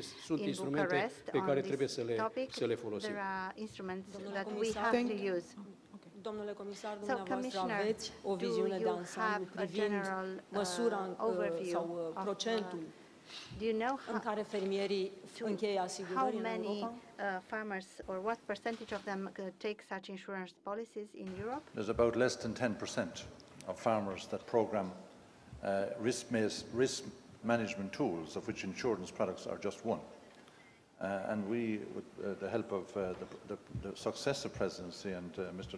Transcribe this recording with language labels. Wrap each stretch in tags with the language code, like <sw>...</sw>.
<ro>Sunt instrumente pe care trebuie să le folosim.</ro> <en>There are instruments that we have to use.</en> <ro>Domnule comisar, dumneavoastră aveți o viziune de ansamblu privind măsura sau procentul în care fermierii încheie asigurări în Europa?</ro> <en>Farmers or what percentage of them take such insurance policies in Europe? There's about less than 10% of farmers that program risk management tools, of which insurance products are just one. And we, with the help of the successive presidency and Mr.</en>